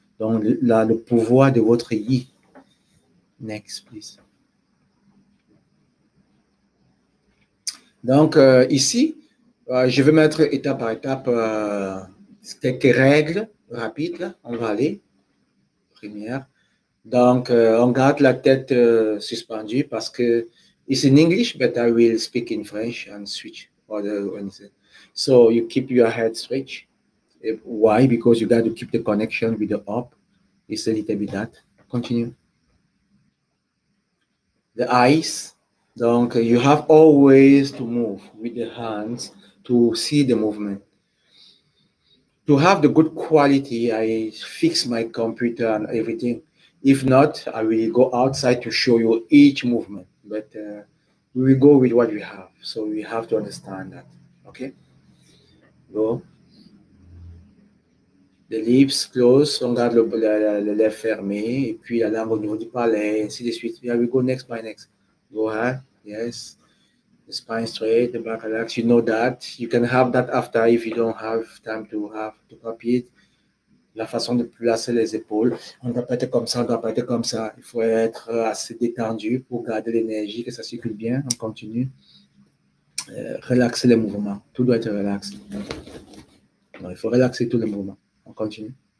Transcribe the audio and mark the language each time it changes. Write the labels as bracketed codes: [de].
[fr] Donc, le pouvoir de votre yi. [en] Next, please. [fr] Donc, ici, je vais mettre étape par étape quelques règles rapides. Là. On va aller. Première. Donc, on garde la tête suspendue parce que [en] it's in English, but I will speak in French and switch. So, you keep your head straight. Why? Because you got to keep the connection with the up. It's a little bit that. Continue. The eyes. Donc, you have always to move with the hands. To see the movement. To have the good quality, I fix my computer and everything. If not, I will go outside to show you each movement. But we will go with what we have. So we have to understand that. Okay? Go. The lips close. [fr] On garde le lèvre fermé. Et puis la langue au niveau du palais. Ainsi de suite. [en] Yeah, we go next by next. Go ahead. Yes. The spine straight, the back relax, you know that. You can have that after if you don't have time to copy it. [fr] La façon de placer les épaules. On ne doit pas être comme ça, on ne doit pas être comme ça. Il faut être assez détendu pour garder l'énergie, que ça circule bien. On continue. Relaxer les mouvements. Tout doit être relax. Non, il faut relaxer tous les mouvements. On continue.